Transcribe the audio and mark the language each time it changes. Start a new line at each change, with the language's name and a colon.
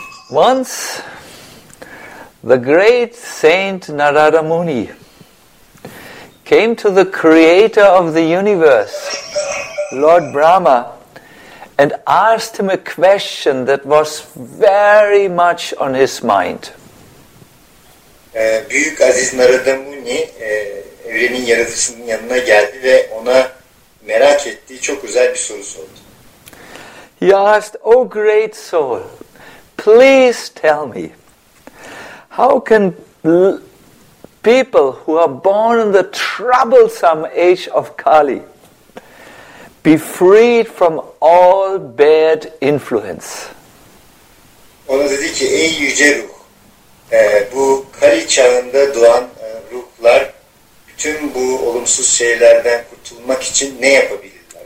English: Once, the great Saint Narada Muni came to the creator of the universe, Lord Brahma, and asked him a question that was very much on his mind.
Turkish: Büyük Aziz Narada Muni, evrenin yaratıcısının yanına geldi ve ona merak ettiği çok özel bir soru sordu.
English: He asked, O great soul, please tell me, how can people who are born in the troublesome age of Kali be freed from all bad influence?
Turkish: Ona dedi ki, ey yüce ruh, bu Kali çağında doğan ruhlar bütün bu olumsuz şeylerden kurtulmak için ne yapabilirler?